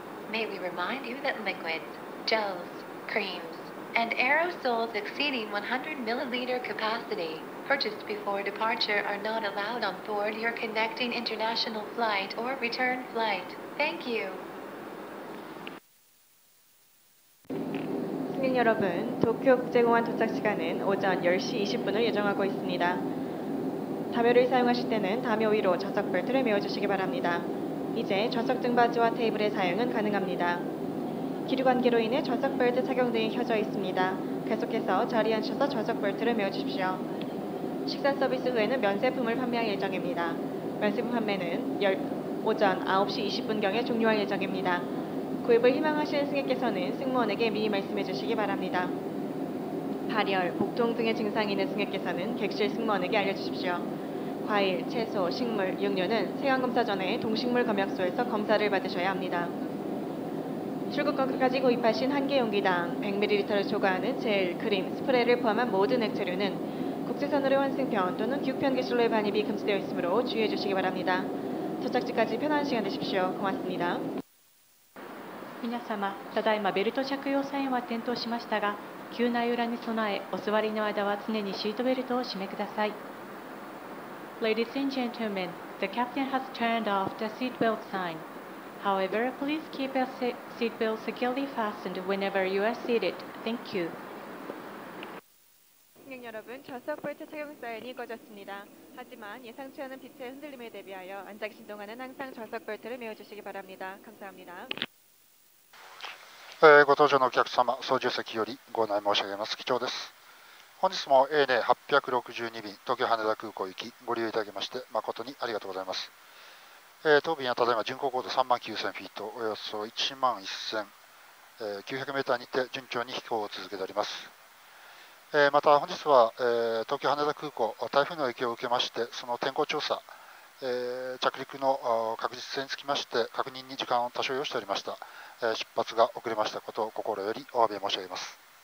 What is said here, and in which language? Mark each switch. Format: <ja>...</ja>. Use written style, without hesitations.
<en>May we remind you that liquids, gels, creams, and aerosols exceeding 100 milliliter capacity purchased before departure are not allowed on board your connecting international flight or return flight. Thank you.</en> <ko>승객 여러분, 도쿄 국제공항 도착 시간은 오전 10시 20분을 예정하고 있습니다. 담요를 사용하실 때는 담요 위로 좌석 벨트를 매워주시기 바랍니다. 이제 좌석 등받이와 테이블의 사용은 가능합니다. 기류 관계로 인해 좌석 벨트 착용 등이 켜져 있습니다. 계속해서 자리에 앉으셔서 좌석 벨트를 메워주십시오. 식사 서비스 후에는 면세품을 판매할 예정입니다. 면세품 판매는 오전 9시 20분경에 종료할 예정입니다. 구입을 희망하시는 승객께서는 승무원에게 미리 말씀해 주시기 바랍니다. 발열, 복통 등의 증상이 있는 승객께서는 객실 승무원에게 알려주십시오. 과일, 채소, 식물, 육류는 세관 검사 전에 동식물 검역소에서 검사를 받으셔야 합니다. 출국까지 구입하신 한 개 용기당 100ml를 초과하는 젤, 크림, 스프레이를 포함한 모든 액체류는 국제선으로의 환승편 또는 규편 기술로의 반입이 금지되어 있으므로 주의해 주시기 바랍니다. 도착지까지 편안한 시간 되십시오. 고맙습니다.</ko> <ja>皆様, ただいまベルト着用サインは点灯しましたが, 急な揺らに備え, お座りの間は常にシートベルトを締めください。</ja> <en>Ladies and gentlemen, the captain has turned off the seatbelt sign. However, please keep your seatbelt securely fastened whenever you are seated. Thank you.</en> <ko>승객 여러분, 좌석 벨트 착용 사인이 꺼졌습니다. 하지만 예상치 않은 빛의 흔들림에 대비하여 앉아 계신 동안은 항상 좌석 벨트를 메워주시기 바랍니다. 감사합니다.</ko> <ja>ご搭乗のお客様、操縦席よりご案内申し上げます。機長です。本日も ANA 862便 東京羽田空港行きご利用いただきまして誠にありがとうございます。当便はただいま巡航高度 39,000 フィートおよそ 11,900 メーターにて順調に飛行を続けております。また本日は東京羽田空港台風の影響を受けましてその天候調査着陸の確実性につきまして確認に時間を多少要しておりました。出発が遅れましたことを心よりお詫び申し上げます。</ja>